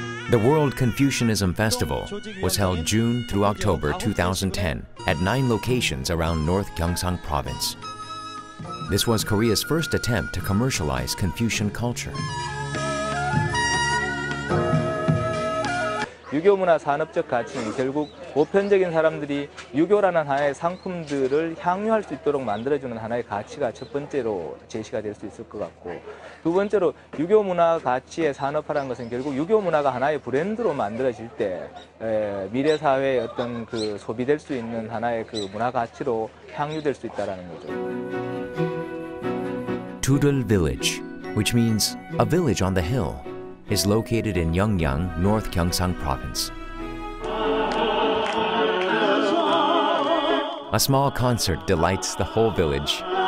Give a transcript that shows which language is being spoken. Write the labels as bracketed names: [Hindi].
[English] The World Confucianism Festival was held June through October 2010 at 9 locations around North Gyeongsang Province. This was Korea's first attempt to commercialize Confucian culture. [Korean] 유교 문화 산업적 가치는 결국 보편적인 사람들이 유교라는 하나의 상품들을 향유할 수 있도록 만들어주는 하나의 가치가 첫 번째로 제시가 될 수 있을 것 같고 두 번째로 유교 문화 가치의 산업화라는 것은 결국 유교 문화가 하나의 브랜드로 만들어질 때 미래 사회의 어떤 그 소비될 수 있는 하나의 그 문화 가치로 향유될 수 있다는 거죠. [English] Tudul Village, which means a village on the hill, is located in Yeongyang, North Gyeongsang Province. A small concert delights the whole village.